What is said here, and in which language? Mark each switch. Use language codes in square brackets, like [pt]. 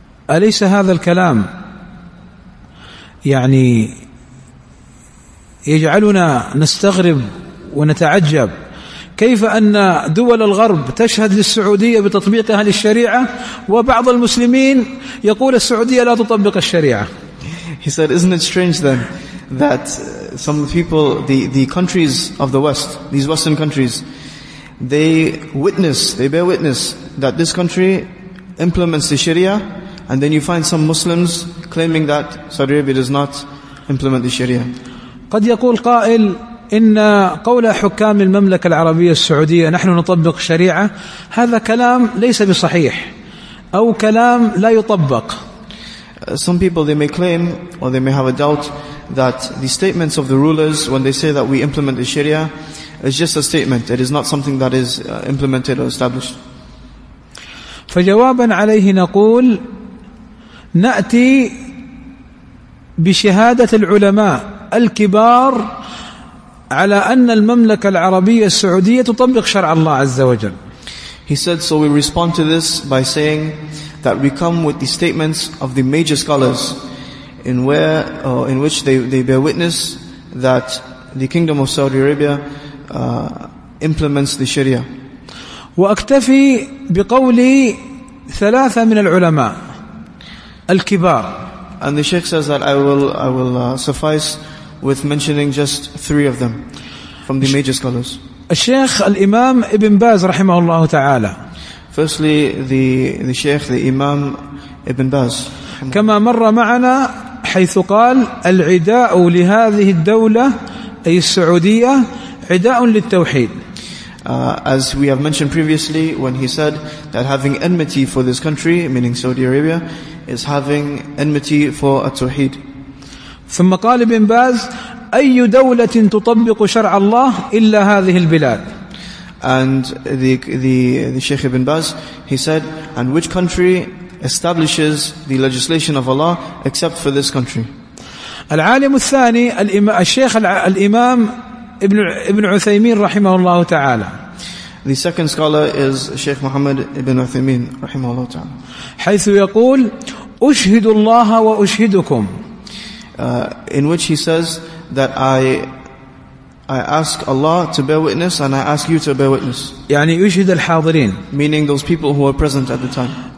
[ar] أليس هذا الكلام يعني يجعلنا نستغرب ونتعجب كيف أن دول الغرب تشهد للسعودية بتطبيقها للشريعة وبعض المسلمين يقول السعودية لا تطبق الشريعة. [en] He said, isn't it strange then that some people, the countries of the West, these Western countries, they bear witness that this country implements the Sharia, and then you find some Muslims claiming that Saudi Arabia does not implement the Sharia. [ar] قد يقول قائل إن قول حكام المملكة العربية السعودية نحن نطبق الشريعة هذا كلام ليس بصحيح أو كلام لا يطبق. [en] Some people, they may claim or they may have a doubt that the statements of the rulers when they say that we implement the Sharia is just a statement. It is not something that is implemented or established. [ar] فجوابا عليه نقول نأتي بشهادة العلماء الكبار على أن المملكة العربية السعودية تطبق شرع الله عز وجل. [en] He said, so we respond to this by saying that we come with the statements of the major scholars in which they bear witness that the Kingdom of Saudi Arabia implements the Sharia. [ar] وأكتفي بقولي ثلاثة من العلماء الكبار. [en] And the Sheikh says that I will suffice with mentioning just three of them from the major scholars. [ar] الشيخ الإمام ابن باز رحمه الله تعالى. [en] Firstly, the Sheikh, the Imam Ibn Baz. [ar] كما مر معنا حيث قال العداء لهذه الدولة أي السعودية عداء للتوحيد. [en] As we have mentioned previously, when he said that having enmity for this country, meaning Saudi Arabia, is having enmity for التوحيد. [ar] ثم قال ابن باز أي دولة تطبق شرع الله إلا هذه البلاد. [en] And the Sheikh Ibn Baz, he said, and which country establishes the legislation of Allah except for this country? [ar] العالم الثاني الشيخ الإمام ابن عثيمين رحمه الله تعالى. [en] The second scholar is Sheikh Muhammad Ibn Uthaymeen [ar] رحمه الله تعالى. حيث يقول أشهد الله وأشهدكم. [en] In which he says that I ask Allah to bear witness and I ask you to bear witness. [ar] يعني يشهد الحاضرين. [en] Meaning those people who were present at the time.